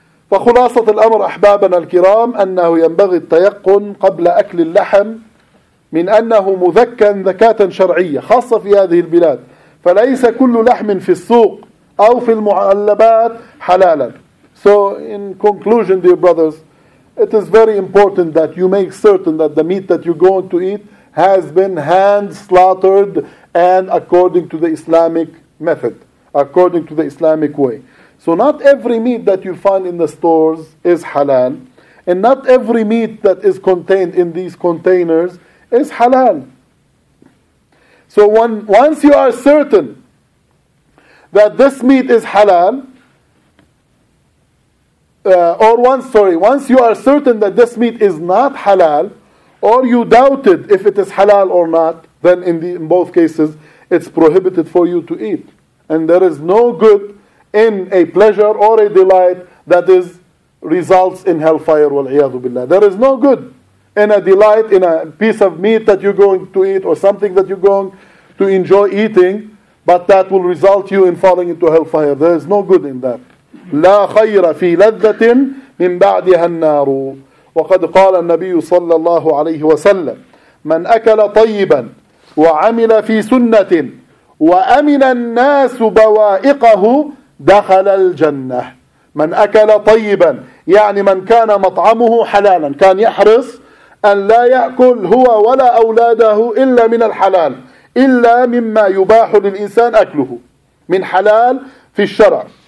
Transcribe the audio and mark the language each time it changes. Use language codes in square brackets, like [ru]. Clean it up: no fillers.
[ar] فخلاصة الأمر أحبابنا الكرام أنه ينبغي التيقن قبل أكل اللحم من أنه مذكى ذكاة شرعية خاصة في هذه البلاد فليس كل لحم في السوق أو في المعلبات حلالا [en] So in conclusion dear brothers it is very important that you make certain that the meat that you're going to eat has been hand slaughtered and according to the Islamic method, according to the Islamic way. So not every meat that you find in the stores is halal, and not every meat that is contained in these containers is halal. So once you are certain that this meat is halal, once you are certain that this meat is not halal, or you doubted if it is halal or not, then in both cases, it's prohibited for you to eat. And there is no good in a pleasure or a delight that is results in hellfire, wal-iyadu billah. There is no good in a delight, in a piece of meat that you're going to eat or something that you're going to enjoy eating, but that will result you in falling into hellfire. There is no good in that. [ar] لا خير في لذة من بعدها النار. وقد قال النبي صلى الله عليه وسلم من أكل طيبا وعمل في سنة وأمن الناس بوائقه دخل الجنة من أكل طيبا يعني من كان مطعمه حلالا كان يحرص أن لا يأكل هو ولا أولاده إلا من الحلال إلا مما يباح للإنسان أكله من حلال في الشرع